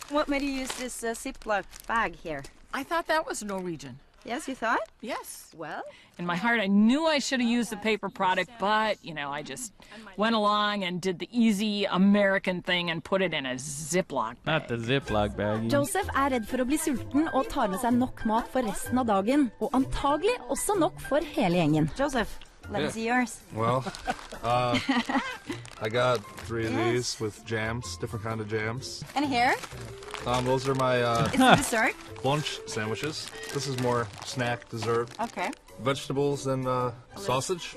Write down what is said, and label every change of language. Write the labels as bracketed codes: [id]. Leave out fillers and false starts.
[en] What made you use this Ziploc bag here? I thought that was Norwegian. Yes, you thought? Yes. Well? In my heart, I knew I should have used the paper product, but, you know, I just went along and did the easy American thing and put it in a Ziploc bag. Not the Ziploc bag. [no] Joseph er redd for å bli sulten og tar med seg nok mat for resten av dagen, og antagelig også nok for hele gjengen. [en] Joseph, let me see yours. Well, I got three of these with jams, different kind of jams. And here? Those are my dessert? Lunch sandwiches. This is more snack dessert. Okay. Vegetables and sausage.